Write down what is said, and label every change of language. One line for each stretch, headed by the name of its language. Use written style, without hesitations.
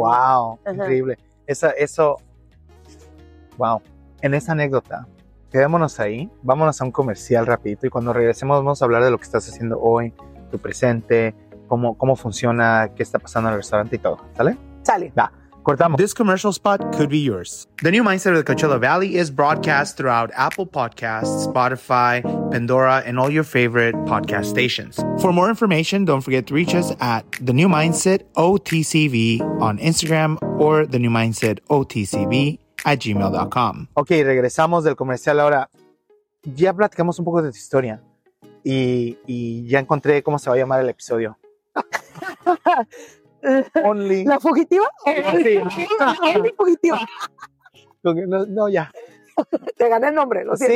Spanish: Wow. Ajá. Increíble. Wow. En esa anécdota, quedémonos ahí, vámonos a un comercial rapidito y cuando regresemos vamos a hablar de lo que estás haciendo hoy, tu presente, cómo funciona, qué está pasando en el restaurante y todo, ¿sale? Sale. Va. Cortamos.
English: This commercial spot could be yours. The new mindset of the Coachella Valley is broadcast throughout Apple Podcasts, Spotify, Pandora, and all your favorite podcast stations. For more information, don't forget to reach us at The New Mindset OTCV on Instagram or The New Mindset OTCV at gmail.com.
Spanish: Okay, regresamos del comercial ahora. Ya platicamos un poco de tu historia y ya encontré cómo se va a llamar el episodio.
English: Only.
Spanish: ¿La fugitiva? Sí. ¿La fugitiva? No, ya. Te gané el nombre, lo siento.